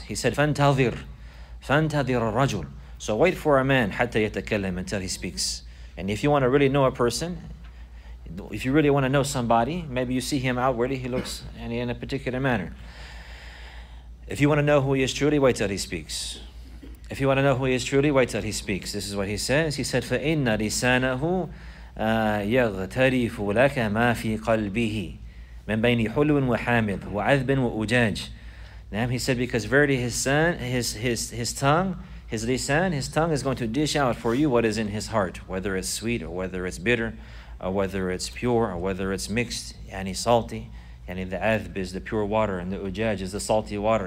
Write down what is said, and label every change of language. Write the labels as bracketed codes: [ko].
[en] He said, [ar] fantadhir rajul. [en] So wait for a man, [ar] hatta yatakallam, [en] until he speaks. And if you want to really know a person, if you really want to know somebody, maybe you see him outwardly, he looks in a particular manner. If you want to know who he is truly, wait till he speaks. If you want to know who he is truly, wait till he speaks. This is what he says. [ar] He said, فَإِنَّ لِسَانَهُ يَغْتَرِفُ لَكَ مَا فِي قَلْبِهِ مَنْ بَيْنِ حُلُّ وَحَامِضُ وَعَذْبٍ وَأُجَاجٍ. [en] Now he said, because verily his tongue is going to dish out for you what is in his heart, whether it's sweet or whether it's bitter, or whether it's pure or whether it's mixed, yani salty. And the adhb is the pure water, and the ujaj is the salty water.